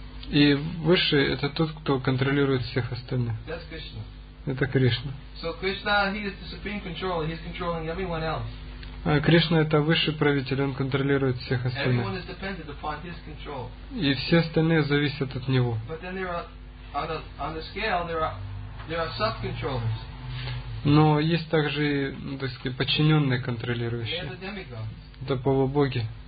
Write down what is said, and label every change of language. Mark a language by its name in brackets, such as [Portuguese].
[Russian] И высший — это тот, кто контролирует всех остальных. Это Кришна. [English] So Krishna, he is the supreme controller. He's controlling everyone else. [Russian] А Кришна — это высший правитель, он контролирует всех остальных. [English] Everyone is dependent upon his control. [Russian] И все остальные зависят от него. [English] But then there are on the scale there are sub-controllers. [Russian] Но есть также, так сказать, подчиненные контролирующие. Это полубоги.